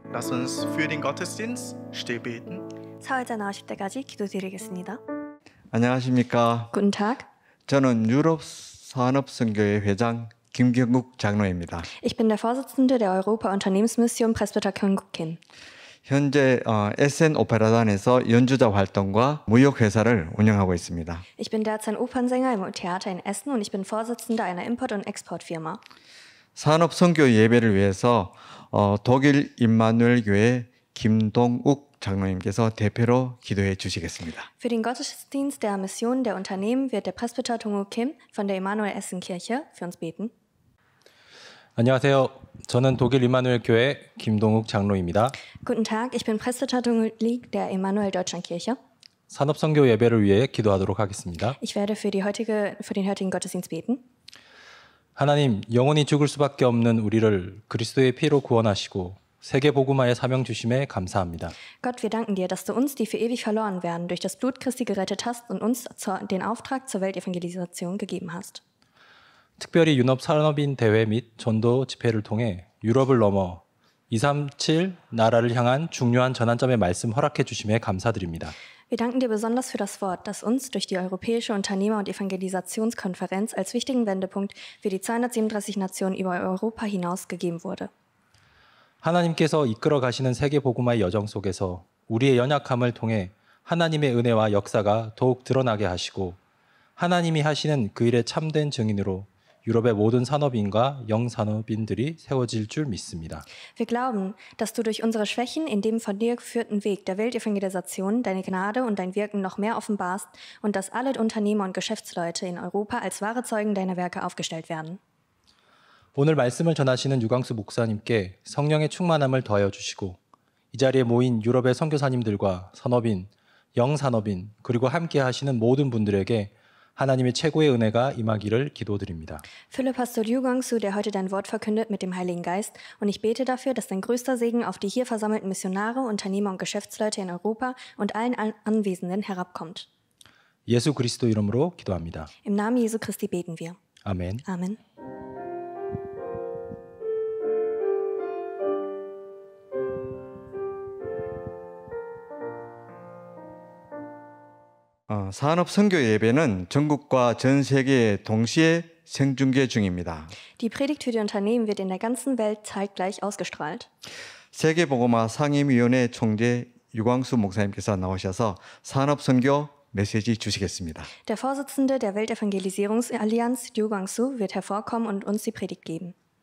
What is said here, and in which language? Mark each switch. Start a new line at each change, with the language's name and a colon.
German: uns für den Gottesdienst still beten.
Korean: 사회자 나오실 때까지 기도드리겠습니다. 안녕하십니까?
German: Guten Tag.
Korean: 저는 유럽 산업선교회 회장 김경국 장로입니다.
German: Ich bin der Vorsitzende der Europa Unternehmensmission Presbyter Kyung-Kin.
Korean: 현재 SN 오페라단에서 연주자 활동과 무역 회사를 운영하고 있습니다.
German: Ich bin derzeit Opernsänger im Theater in Essen und ich bin Vorsitzender einer Import- und Exportfirma.
Korean: 산업 선교 예배를 위해서 독일 임마누엘 교회 김동욱 장로님께서 대표로 기도해 주시겠습니다.
German: Für den Gottesdienst der Mission der Unternehmen wird der Presbyter Dong-Uk Kim von der Immanuel Essen Kirche für uns beten.
Korean: 안녕하세요. 저는 독일 임마누엘 교회 김동욱 장로입니다.
German: Guten Tag, ich bin Presbyter Dong-Uk der Immanuel Deutschland Kirche.
Korean: 산업 선교 예배를 위해 기도하도록 하겠습니다.
German: Ich werde für den heutigen Gottesdienst beten.
Korean: 하나님, 영원히 죽을 수밖에 없는 우리를 그리스도의 피로 구원하시고 세계 복음화에 사명 주심에 감사합니다.
German: Gott, wir danken dir, dass du uns, die für ewig verloren werden, durch das Blut Christi gerettet hast und uns den Auftrag zur Weltevangelisation gegeben hast.
Korean: 특별히 유럽 산업인 대회 및 전도 집회를 통해 유럽을 넘어 237 나라를 향한 중요한 전환점의 말씀 허락해 주심에 감사드립니다.
German: Wir danken dir besonders für das Wort, das uns durch die Europäische Unternehmer- und Evangelisationskonferenz als wichtigen Wendepunkt für die 237 Nationen über Europa hinaus gegeben wurde.
Korean: 하나님께서 이끌어 가시는 세계 복음화의 여정 속에서 우리의 연약함을 통해 하나님의 은혜와 역사가 더욱 드러나게 하시고 하나님이 하시는 그 일에 참된 증인으로 유럽의 모든 산업인과 영산업인들이 세워질 줄 믿습니다.
German: Wir glauben, dass du durch unsere Schwächen in dem von dir geführten Weg der Weltevangelisation deine Gnade und dein Wirken noch mehr offenbarst und dass alle Unternehmer und Geschäftsleute in Europa als wahre Zeugen deiner Werke aufgestellt werden.
Korean: 오늘 말씀을 전하시는 유광수 목사님께 성령의 충만함을 더하여 주시고 이 자리에 모인 유럽의 선교사님들과 산업인, 영산업인 그리고 함께 하시는 모든 분들에게 하나님의 최고의 은혜가 임하기를 기도드립니다.
German: Philipp Pastor Jugangsu, der heute dein Wort verkündet mit dem Heiligen Geist, und ich bete dafür, dass dein größter Segen auf die hier versammelten Missionare, Unternehmer und Geschäftsleute in Europa und allen Anwesenden herabkommt.
Korean: 예수 그리스도 이름으로 기도합니다.
German: Im Namen Jesu Christi beten wir. Amen. Amen.
Korean: 산업 선교 예배는 전국과 전 세계에 동시에 생중계 중입니다.
German: Die Predigt für die Unternehmen wird in der ganzen Welt zeitgleich ausgestrahlt.
Korean: 세계 복음화 상임위원회 총재 유광수 목사님께서 나오셔서 산업 선교 메시지 주시겠습니다.
German: Der Vorsitzende der Weltevangelisierungsallianz, Yu Gwang-soo, wird hervorkommen und uns die Predigt geben.